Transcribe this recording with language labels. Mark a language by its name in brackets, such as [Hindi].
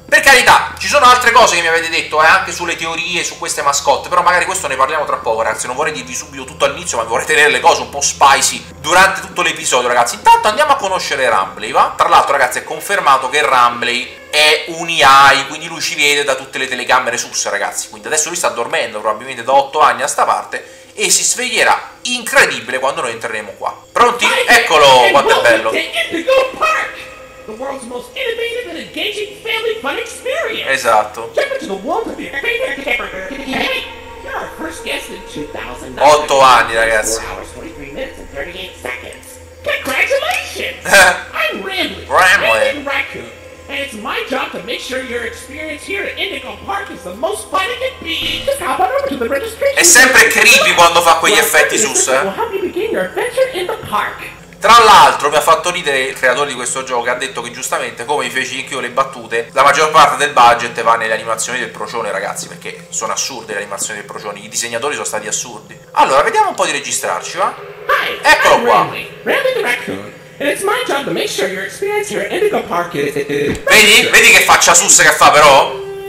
[Italian] Per carità, ci sono altre cose che mi avete detto, anche sulle teorie, su queste mascotte, però magari questo ne parliamo tra poco, ragazzi, non vorrei dirvi subito tutto all'inizio, ma vorrei tenere le cose un po' spicy durante tutto l'episodio, ragazzi. Intanto andiamo a conoscere Rumbly, va? Tra l'altro, ragazzi, è confermato che Rumbly è un AI, quindi lui ci vede da tutte le telecamere sus, ragazzi, quindi adesso lui sta dormendo probabilmente da 8 anni a sta parte, e si sveglierà incredibile quando noi entreremo qua. Pronti? Eccolo, quanto è bello! [English] The world's most innovative and engaging family fun experience! Esatto. Jump into the world of your favorite character! You're our first guest in 2009. [Italian] 8 anni, ragazzi. [English] 4 hours, 43 minutes, and 38 seconds! Congratulations! I'm Rambly, Raccoon, and it's my job to make sure your experience here at Indigo Park is the most fun it can be! Just hop on over to the registration! [Italian] È sempre creepy quando fa quegli effetti sus, eh? [English] We'll help you begin your adventure in the park! [Italian] Tra l'altro mi ha fatto ridere il creatore di questo gioco, che ha detto che giustamente, come mi feci anch'io le battute, la maggior parte del budget va nelle animazioni del procione, ragazzi, perché sono assurde le animazioni del procione, i disegnatori sono stati assurdi. Allora, vediamo un po' di registrarci, va? Hi, eccolo I'm qua. [English] Rambly the Raccoon, and it's my job to make sure your experience here at Indigo Park is... [Italian] Vedi? Vedi che faccia sus che fa, però?